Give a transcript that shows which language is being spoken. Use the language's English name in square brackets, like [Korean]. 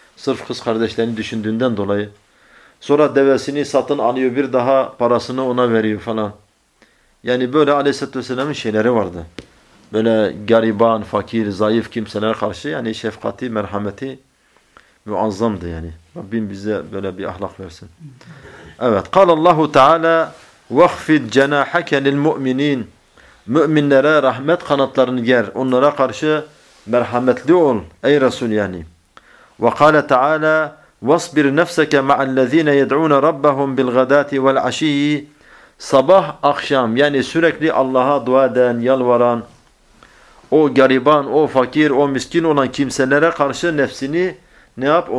[Turkish] Sırf kız kardeşlerini düşündüğünden dolayı. Sonra devesini satın alıyor. Bir daha parasını ona veriyor falan. Yani böyle Aleyhisselatü Vesselam'ın şeyleri vardı. Böyle gariban, fakir, zayıf kimselere karşı yani şefkati, merhameti muazzamdı yani. Rabbim bize böyle bir ahlak versin. Evet. [Arabic] قال الله تعالى وَخْفِدْ جَنَاحَكَ لِلْمُؤْمِنِينَ [Turkish] Müminlere rahmet kanatlarını ger. Onlara karşı merhametli ol. Ey Resul yani. [Arabic] وقال تعالى وَصْبِرْ نَفْسَكَ مَعَ الَّذ۪ينَ يَدْعُونَ رَبَّهُمْ بِالْغَدَاتِ وَالْعَش۪يِ [Turkish] Sabah, akşam yani sürekli Allah'a dua eden, yalvaran o gariban, o fakir, o miskin olan kimselere karşı nefsini ne yap?